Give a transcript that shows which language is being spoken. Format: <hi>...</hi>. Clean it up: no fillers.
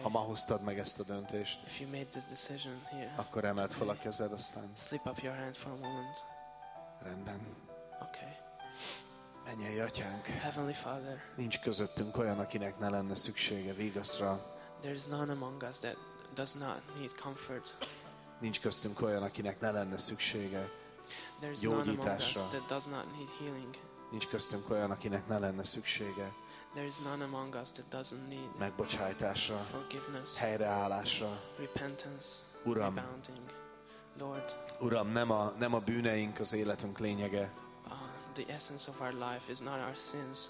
<hu>Ha ma hoztad meg ezt a döntést,</hu> <en>if you made this decision here,</en> <hu>akkor emeld fel a kezed aztán.</hu> <en>Slip up your hand for a moment.</en> <hu>Rendben.</hu> <en>Okay.</en> <hu>Mennyei atyánk.</hu> <en>Heavenly Father.</en> <hu>Nincs közöttünk olyan, akinek ne lenne szüksége vígaszra.</hu> <en>There is none among us that does not need comfort.</en> <hu>Nincs köztünk olyan, akinek ne lenne szüksége</hu> <en>there is</en> <hu>gyógyításra.</hu> <en>None among us that does not need healing.</en> <hu>Nincs köztünk olyan, akinek ne lenne szüksége.</hu> <en>There is none among us that doesn't need</en> <hu>megbocsájtásra,</hu> <en>forgiveness,</en> <hu>helyreállásra.</hu> <en>Repentance.</en> <hu>Uram.</hu> <en>Rebounding. Lord,</en> <hu>Uram, nem a bűneink az életünk lényege.</hu> <en>The essence of our life is not our sins.</en>